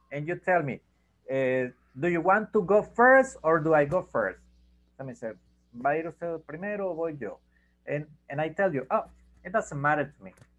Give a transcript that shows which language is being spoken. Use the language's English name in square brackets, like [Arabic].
[English] And you tell me, do you want to go first or do I go first? Let me say, [Spanish] ¿va a ir usted primero o voy yo? [English] And I tell you, oh, it doesn't matter to me.